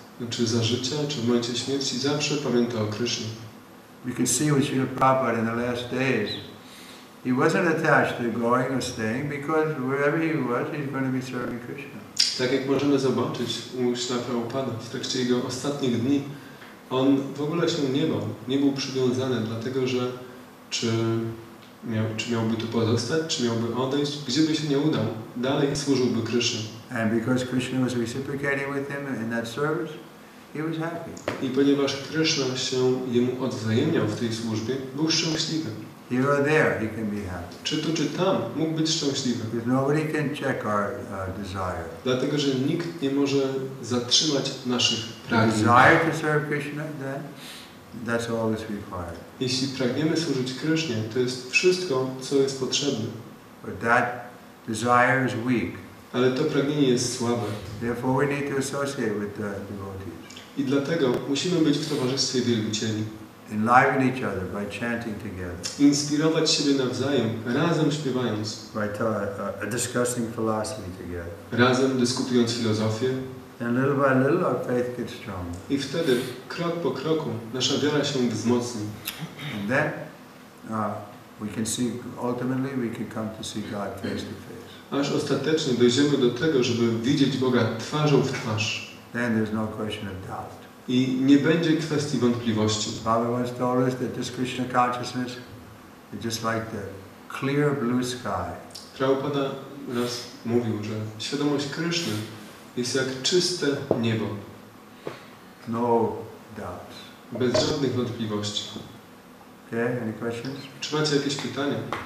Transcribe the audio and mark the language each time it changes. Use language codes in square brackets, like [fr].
[pl] Czy za życia, czy w momencie śmierci zawsze pamięta o Krishna. [en] We can see with Srila Prabhupada in the last days, He wasn't attached to going or staying because wherever he was, he's going to be serving Krishna. [pl] Tak jak możemy zobaczyć u Śrila Prabhupada w trakcie jego ostatnich dni, on w ogóle się nie bał, nie był przywiązany, dlatego że czy miałby tu pozostać, czy miałby odejść, gdzie by się nie udał, dalej służyłby Krishna. [en] And because Krishna was reciprocating with him in that service, he was happy. [pl] I ponieważ Krishna się jemu odwzajemniał w tej służbie, był szczęśliwy. [en] Here or there, he can be happy. [pl] Czy tu, czy tam, mógł być szczęśliwy. [en] Because nobody can check our desire. [pl] Dlatego, że nikt nie może zatrzymać naszych pragnień. [en] Desire to serve Krishna, then that's all that's required. [pl] Jeśli pragniemy służyć Krishnie, to jest wszystko, co jest potrzebne. [en] But that desire is weak. [pl] Ale to pragnienie jest słabe. [en] Therefore, we need to associate with the devotees. [pl] I dlatego musimy być w towarzystwie wielbicieli. [en] Enliven each other by chanting together. [pl] Inspirować siebie nawzajem, razem śpiewając. [en] By discussing philosophy together. [pl] Razem dyskutując filozofię. [en] And little by little our faith gets stronger. [pl] I wtedy krok po kroku nasza wiara się wzmocni. [en] And then we can see, ultimately we can come to see God face to face. [pl] Aż ostatecznie dojdziemy do tego, żeby widzieć Boga twarzą w twarz. [en] Then there's no question of doubt. [pl] I nie będzie kwestii wątpliwości. [en] Prabhupada once told us that this Krishna consciousness is just like the clear blue sky. [pl] Prabhupada raz mówił, że świadomość Krishna jest jak czyste niebo. [en] No doubt. [pl] Bez żadnych wątpliwości. [en] Okay, any questions? [pl] Czy macie jakieś pytania?